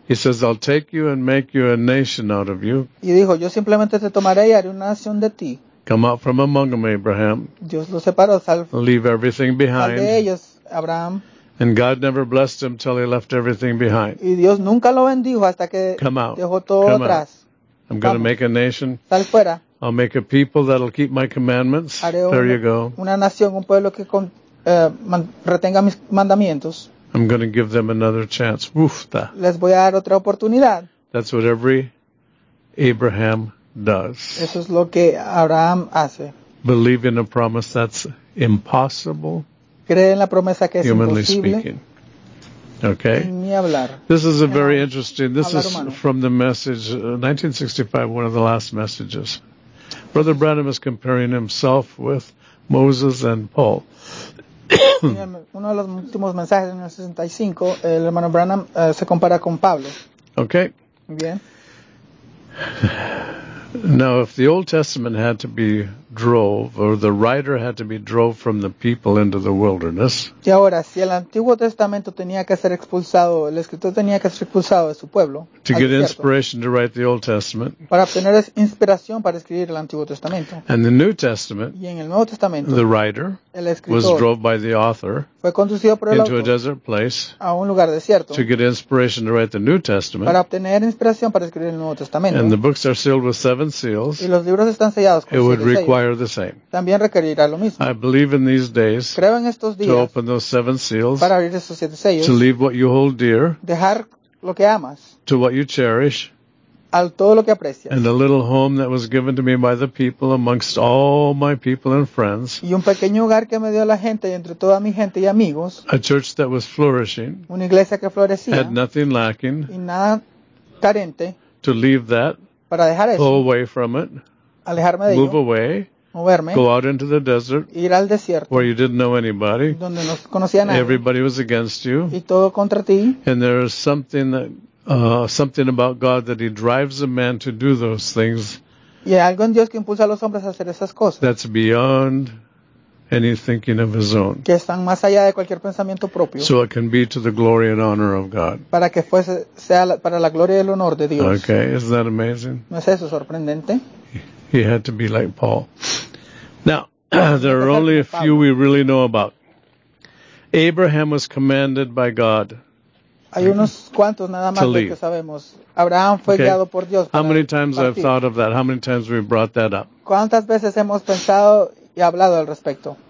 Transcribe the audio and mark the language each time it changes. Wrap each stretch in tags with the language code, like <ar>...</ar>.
<en>He says, I'll take you and make you a nation out of you.</en> <es>Y dijo, yo simplemente te tomaré y haré una nación de ti.</es> <en>Come out from among them, Abraham.</en> <es>Dios lo separó,</es> <en>leave everything behind.</en> <es>Sal de ellos, Abraham.</es> <en>And God never blessed him till he left everything behind.</en> <es>Y Dios nunca lo bendijo hasta que</es> <en>come out.</en> <es>Dejó todo</es> <en>come</en> <es>atrás.</es> <en>Out. I'm going to make a nation.</en> <es>Sal fuera.</es> <en>I'll make a people that'll keep my commandments.</en> <es>Haré</es> <en>there</en> <es>una,</es> <en>you go.</en> <es>Una nación, un pueblo que retenga mis mandamientos.</es> <en>I'm going to give them another chance. Ufta.</en> <es>Les voy a dar otra oportunidad.</es> <en>That's what every Abraham does.</en> <es>Eso es lo que Abraham hace.</es> <en>Believe in a promise that's impossible.</en> <es>Cree en la promesa que es</es> <en>humanly</en> <es>imposible.</es> <en>Speaking. Okay.</en> <es>Ni hablar.</es> <en>This is a very interesting. This is from the message, 1965, one of the last messages. Brother Branham is comparing himself with Moses and Paul.</en> <es>Uno de los últimos mensajes en el 65, el hermano Branham se compara con Pablo.</es> <en>Okay.</en> <es>Bien.</es> <en>Now, if the Old Testament had to be drove, or the rider had to be drove from the people into the wilderness.</en> <es>Y ahora, si el Antiguo Testamento tenía que ser expulsado, el escritor tenía que ser expulsado de su pueblo.</es> <en>To get inspiration to write the Old Testament.</en> <es>Para obtener inspiración para escribir el Antiguo Testamento.</es> <en>And the New Testament.</en> <es>Y en el Nuevo Testamento.</es> <en>The writer.</en> <es>El escritor.</es> <en>Was drove by the author.</en> <es>Fue conducido por el</es> <en>into</en> <es>autor.</es> <en>Into a desert place.</en> <es>A un lugar desierto.</es> <en>To get inspiration to write the New Testament.</en> <es>Para obtener inspiración para escribir el Nuevo Testamento.</es> <en>And the books are sealed with seven seals.</en> <es>Y los libros están sellados con siete sellos.</es> <en>It would require the same.</en> <es>También requerirá lo mismo.</es> <en>I believe in these days.</en> <es>Creo en estos días.</es> <en>To open those seven seals.</en> <es>Para abrir esos siete sellos.</es> <en>To leave what you hold dear.</en> <es>Dejar lo que amas.</es> <en>To what you cherish.</en> <es>Al todo lo que aprecias.</es> <en>And a little home that was given to me by the people amongst all my people and friends.</en> <es>Y un pequeño hogar que me dio la gente y entre toda mi gente y amigos.</es> <en>A church that was flourishing.</en> <es>Una iglesia que florecía.</es> <en>Had nothing lacking.</en> <es>Y nada carente.</es> <en>To leave that.</en> <es>Para dejar eso.</es> <en>Pull away from it.</en> <es>Alejarme de</es> <en>move</en> <es>ello,</es> <en>away.</en> <es>Moverme.</es> <en>Go out into the desert.</en> <es>Ir al desierto.</es> <en>Where you didn't know anybody.</en> <es>Donde no conocía a nadie.</es> <en>Everybody was against you.</en> <es>Y todo contra ti.</es> <en>And there is something that something about God that he drives a man to do those things.</en> <es>Y hay algo en Dios que impulsa a los hombres a hacer esas cosas.</es> <en>That's beyond any thinking of his own.</en> <es>Que están más allá de cualquier pensamiento propio.</es> <en>So it can be to the glory and honor of God.</en> <es>Para que fuese, sea la, para la gloria y el honor de Dios.</es> <en>Okay, isn't that amazing?</en> <es>¿No es eso sorprendente?</es> <en>He had to be like Paul. Now, there are only a few we really know about. Abraham was commanded by God.</en> <es>Hay unos cuantos nada más que sabemos. Abraham fue</es> <en>okay.</en> <es>guiado por Dios.</es> <en>How many times I've thought of that? How many times we've brought that up?</en> <es>¿Cuántas veces hemos pensado y hablado al respecto?</es>